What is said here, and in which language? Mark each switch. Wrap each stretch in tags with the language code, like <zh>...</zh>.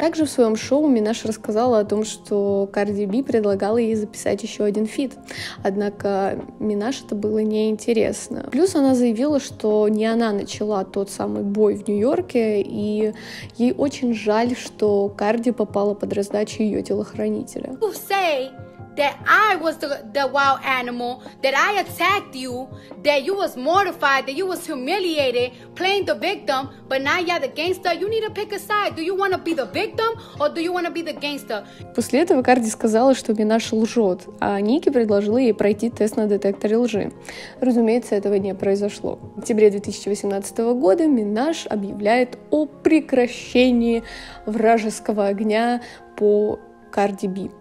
<ru>Также в своем шоу Минаж рассказала о том, что Cardi B предлагала ей записать еще один фит. Однако Минаж это было неинтересно. Плюс она заявила, что не она начала тот самый бой в Нью-Йорке, и ей очень жаль, что Cardi попала под раздачу ее телохранителя.</ru> <en>You say that I was the wild animal, that I attacked you, that you was mortified, that you was humiliated, playing the victim, but now you're the gangster. You need to pick a side. Do you want to be the victim or do you want to be the gangster?</en> <ru>После этого Карди сказала, что Минаж лжет, а Ники предложила ей пройти тест на детекторе лжи. Разумеется, этого не произошло. В октябре 2018 года Минаж объявляет о прекращении вражеского огня по Карди Би.</ru>